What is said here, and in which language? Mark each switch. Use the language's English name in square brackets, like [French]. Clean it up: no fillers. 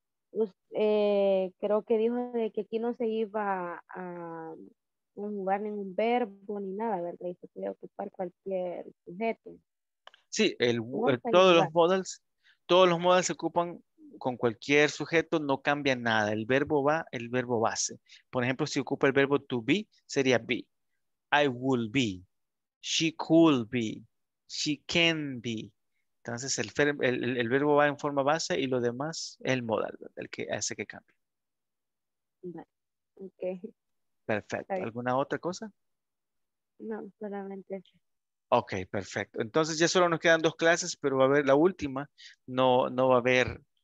[Spanish] Creo que dijo de que aquí no se iba a conjugar ningún verbo ni nada, ¿verdad? Y se puede ocupar cualquier sujeto. Sí, todos los modals se ocupan con cualquier sujeto, no cambia nada. El verbo base. Por ejemplo, si ocupa el verbo to be, sería be. [English] I will be. She could be. She can be. [Spanish] Entonces el verbo va en forma base y lo demás el modal, el que hace que cambie. Ok. Perfecto. ¿Alguna otra cosa? No, solamente. Ok, perfecto. Entonces ya solo nos quedan dos clases, pero va a haber la última. No va a haber.